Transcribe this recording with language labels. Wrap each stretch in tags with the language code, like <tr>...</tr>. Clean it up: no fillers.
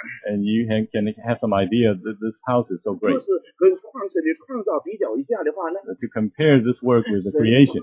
<en>and you can have some idea that this house is so great.</en> <zh>就是跟创世的创造比较一下的话呢,</zh> <en>but to compare this work with the creation,</en>